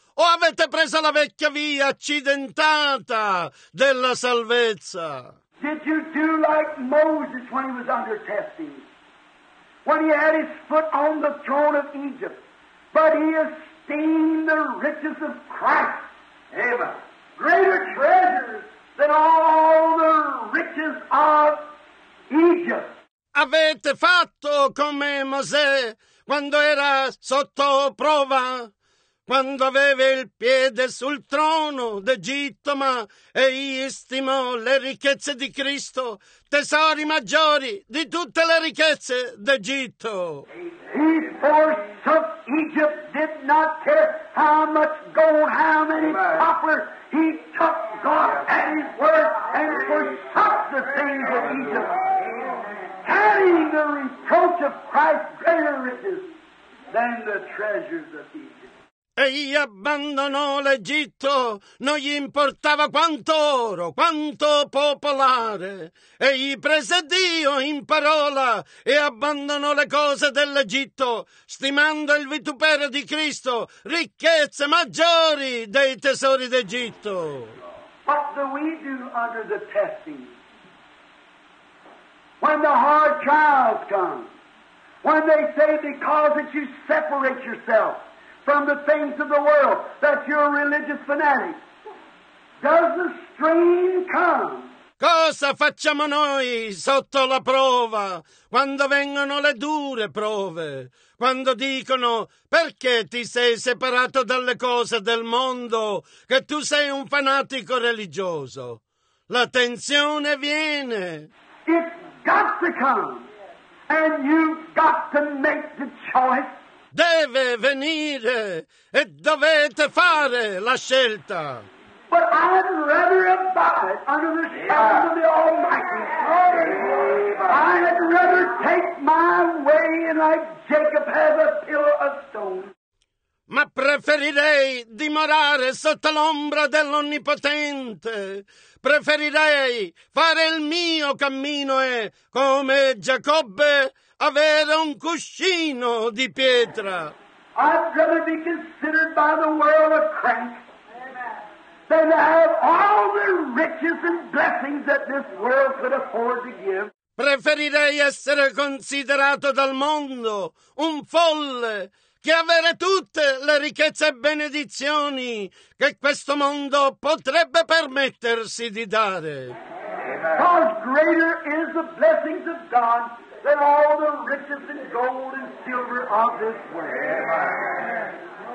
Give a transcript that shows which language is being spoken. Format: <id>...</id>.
<it>O avete preso la vecchia via accidentata della salvezza?</it> <en>Did you do like Moses when he was under testing? When he had his foot on the throne of Egypt, but he esteemed the riches of Christ. Amen. Greater treasures than all the riches of Egypt.</en> <it>Avete fatto come Mosè quando era sotto prova, quando aveva il piede sul trono d'Egitto, ma egli estimò le ricchezze di Cristo, tesori maggiori di tutte le ricchezze d'Egitto.</it> <en>He forsook Egypt, did not care how much gold, how many copper. He took God at his word and forsook the things of Egypt. Carrying the reproach of Christ, greater riches than the treasures of Egypt.</en> <it>Egli abbandonò l'Egitto, non gli importava quanto oro, quanto popolare. Egli prese Dio in parola e abbandonò le cose dell'Egitto, stimando il vituperio di Cristo, ricchezze maggiori dei tesori d'Egitto.</it> <en>What do we do under the testing? When the hard trials come, when they say because that you separate yourself from the things of the world, that you're a religious fanatic. Does the strain come?</en> <it>Cosa facciamo noi sotto la prova, quando vengono le dure prove, quando dicono perché ti sei separato dalle cose del mondo, che tu sei un fanatico religioso? La tensione viene.</it> <en>It's got to come, and you've got to make the choice.</en> <it>Deve venire e dovete fare la scelta.</it> <en>But I'd rather abide under the shadow of the Almighty. I'd rather take my way in like Jacob has a pillar of stone.</en> <it>Ma preferirei dimorare sotto l'ombra dell'Onnipotente. Preferirei fare il mio cammino e, come Giacobbe, avere un cuscino di pietra.</it> <en>I'd rather be considered by the world a crank than to have all the riches and blessings that this world could afford to give.</en> <it>Preferirei essere considerato dal mondo un folle che avere tutte le ricchezze e benedizioni che questo mondo potrebbe permettersi di dare.</it> <en>Because greater is the blessings of God than all the riches in gold and silver of this world.</en>